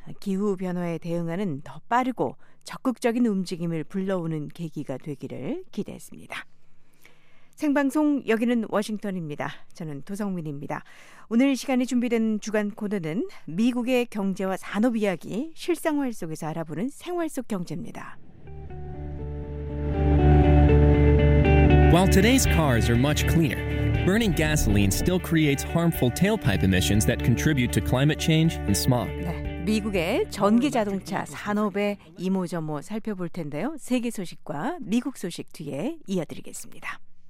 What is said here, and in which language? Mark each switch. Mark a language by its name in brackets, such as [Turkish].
[Korean] 기후변화에 대응하는 더 빠르고 적극적인 움직임을 불러오는 계기가 되기를 기대했습니다. 생방송 여기는 워싱턴입니다. 저는 도성민입니다. 오늘 시간에 준비된 주간 코너는 미국의 경제와 산업 이야기, 실생활 속에서 알아보는 생활 속 경제입니다. [English] While today's cars are much cleaner, burning gasoline still creates harmful tailpipe emissions that contribute to climate change and smog. [Korean] 네, 미국의 전기 자동차 산업의 이모저모 살펴볼 텐데요. 세계 소식과 미국 소식 뒤에 이어드리겠습니다.